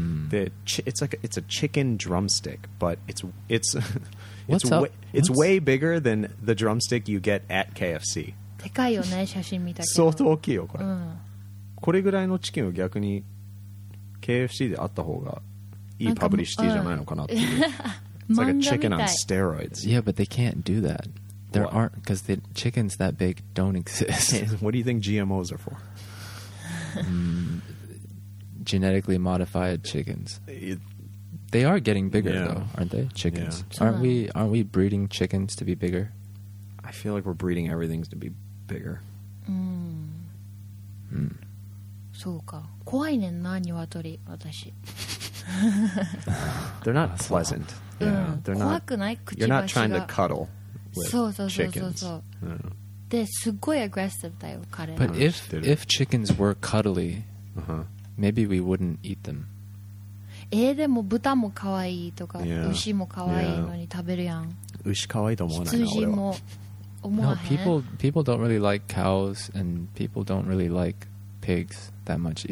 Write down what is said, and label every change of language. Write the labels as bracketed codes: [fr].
[en] で、it's like it's a chicken drumstick, but it's way bigger than the drumstick you get at KFC. [ja] でかいよね、写真見たけど。相当大きいよこれ。これぐらいのチキンを逆に KFC であった方がいいパブリシティじゃないのかなっていう。 [en] It's like a chicken on steroids. Yeah, but they can't do that. There aren't, because the chickens that big don't exist. What do you think GMOs are for? Genetically modified chickens. They are getting bigger though, aren't they? Chickens. Aren't we breeding chickens to be bigger? I feel like we're breeding everything to be bigger. [ja] そうか怖いねんな鶏私 [en] They're not pleasant yeah, not, [ja] 怖くないくちばしが [en] You're not trying to cuddle with [ja] そうそうそうそう [en] chickens、 [ja] うん、ですごいアグレッシブだよ彼 [en] But if chickens were cuddly maybe we wouldn't eat them [ja] でも豚も可愛いとか、yeah. 牛も可愛いのに食べるやん、 [en] yeah. [ja] 牛可愛いと思わないな羊も思わへん [en] No, people don't really like cows and people don't really likePigs that much either,